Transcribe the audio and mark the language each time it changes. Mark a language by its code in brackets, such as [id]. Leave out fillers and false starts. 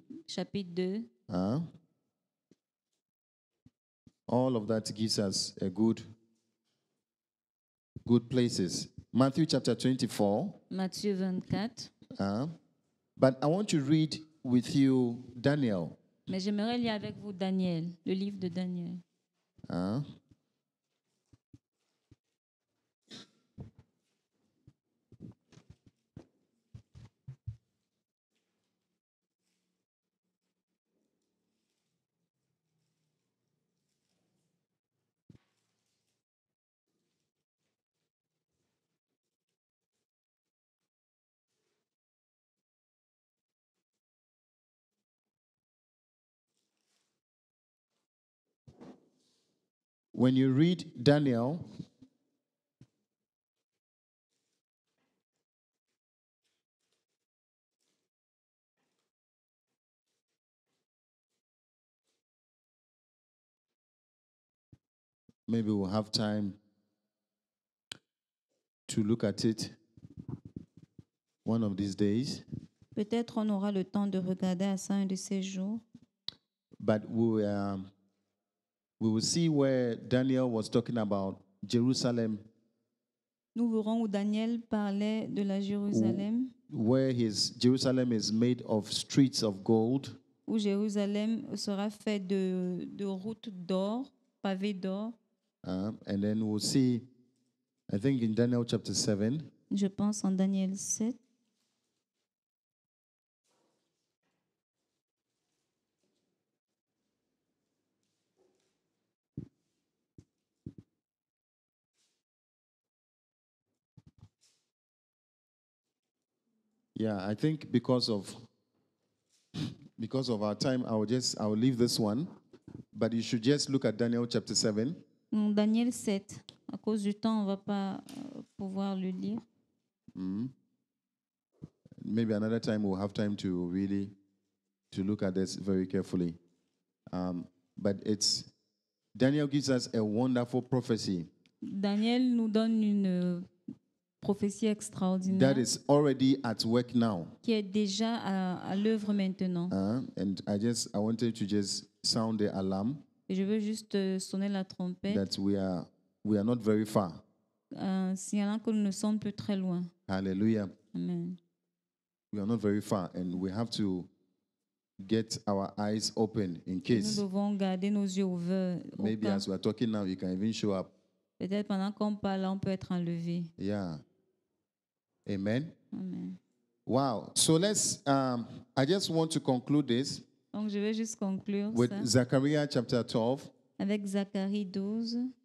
[fr] Chapitre 2. [en] All of that gives us a good places. Matthew chapter 24. [fr] Matthieu 24. [en] But I want to read with you, Daniel. [fr] Mais j'aimerais lire avec vous Daniel, le livre de Daniel. [en] when you read Daniel, maybe we'll have time to look at it one of these days. [fr] Peut-être on aura le temps de regarder à ça un de ces jours. [en] But we will see where Daniel was talking about Jerusalem. [fr] Nous verrons où Daniel parlait de la Jérusalem. [en] Where his Jerusalem is made of streets of gold. [fr] Où Jérusalem sera fait de routes d'or, pavés d'or. [en] And then we'll see, I think in Daniel chapter 7. [fr] Je pense en Daniel 7. [en] Yeah, I think because of our time, I will leave this one. But you should just look at Daniel chapter 7. [fr] Daniel 7. À cause du temps, on va pas pouvoir le lire. [en] Maybe another time we'll have time to look at this very carefully. But it's Daniel gives us a wonderful prophecy. [fr] Daniel nous donne une prophétie extraordinaire. [en] That is already at work now. [fr] Qui est déjà à l'œuvre maintenant. [en] And I wanted to just sound the alarm. [fr] Et je veux juste sonner la trompette. [en] That we are not very far. [fr] Signalant que nous ne sommes plus très loin. Hallelujah. Amen. [en] We are not very far, and we have to get our eyes open in case. [fr] Nous devons garder nos yeux ouverts. [en] Maybe as we are talking now, you can even show up. [fr] Peut-être pendant qu'on parle, on peut être enlevé. [en] Yeah. Amen. Amen. Wow. So let's. I just want to conclude this. [fr] Donc je vais juste conclure [en] with [fr] ça. [en] Zachariah chapter 12. [fr] Avec Zacharie 12.